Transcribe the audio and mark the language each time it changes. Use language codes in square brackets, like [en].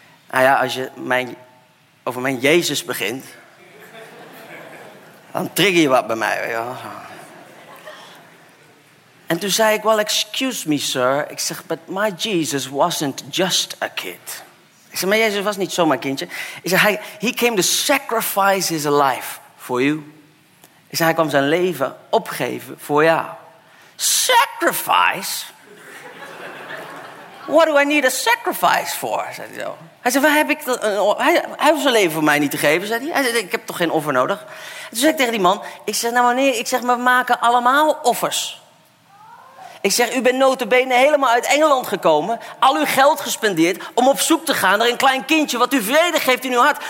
[nl] Nou ja, als je over mijn Jezus begint, dan trigger je wat bij mij. Ja. En toen zei ik, [en] well, excuse me, sir. [nl] Ik zeg, [en] but my Jesus wasn't just a kid. [nl] Ik zeg, maar Jezus was niet zomaar kindje. Ik zeg, [en] he came to sacrifice his life for you. [nl] Ik zeg, hij kwam zijn leven opgeven voor jou. [en] Sacrifice? What do I need a sacrifice for? [nl] Zei hij zo. Hij zei, waar heb ik dat? Hij heeft zijn leven voor mij niet te geven, zei hij. Hij zei, ik heb toch geen offer nodig? En toen zei ik tegen die man, ik zeg, nou meneer, ik zeg, we maken allemaal offers. Ik zeg, u bent notabene helemaal uit Engeland gekomen. Al uw geld gespendeerd om op zoek te gaan naar een klein kindje wat u vrede geeft in uw hart.